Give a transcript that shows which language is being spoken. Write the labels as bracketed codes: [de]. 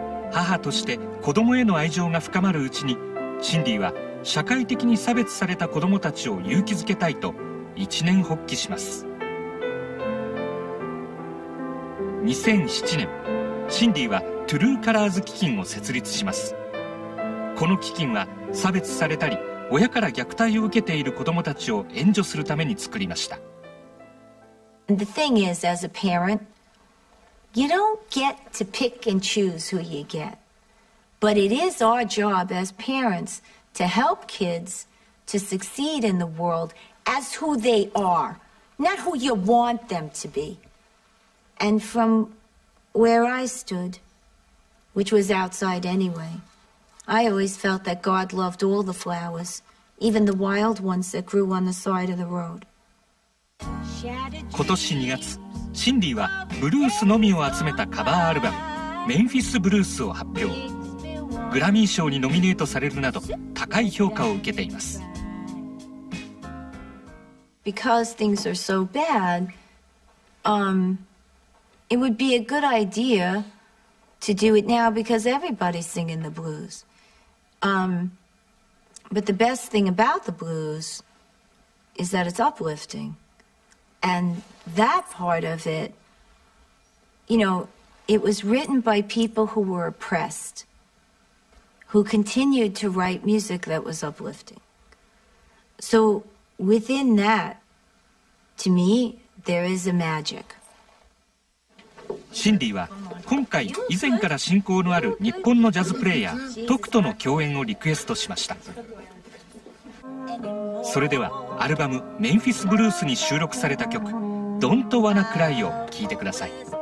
[ja] 母として子供への愛情が深まるうちに、シンディは社会的に差別された子供たちを勇気づけたいと一念発起します。 2007年、シンディはトゥルーカラーズ基金を設立します。この基金は差別されたり親から虐待を受けている子どもたちを援助するために作りました。 [en] The thing is, as a parent, you don't get to pick and choose who you get. But it is our job as parents to help kids to succeed in the world as who they are, not who you want them to be. And from where I stood, which was outside anyway,I always felt that God loved all the flowers, even the wild ones that grew on the side of the road. [ja] 今年2月、シンディはブルースのみを集めたカバーアルバム、メンフィスブルースを発表。グラミー賞にノミネートされるなど、高い評価を受けています。 [en] Because things are so bad, it would be a good idea to do it now because everybody's singing the blues. But the best thing about the blues is that it's uplifting. And that part of it, you know, it was written by people who were oppressed, who continued to write music that was uplifting. So within that, to me, there is a magic. [ja] シンディは今回以前から親交のある日本のジャズプレイヤートクとの共演をリクエストしました。それではアルバム「メンフィス・ブルース」に収録された曲「Don't Wanna Cry」を聴いてください。